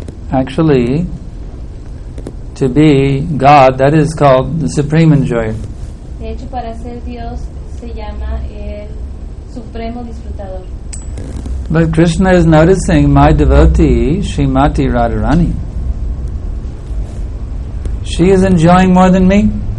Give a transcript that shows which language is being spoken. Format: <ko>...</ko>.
<en>Actually, to be God, that is called the supreme enjoy.</en> <es>De hecho, para ser Dios se llama el supremo disfrutador.</es> <en>But Krishna is noticing my devotee, Srimati Radharani. She is enjoying more than me.</en>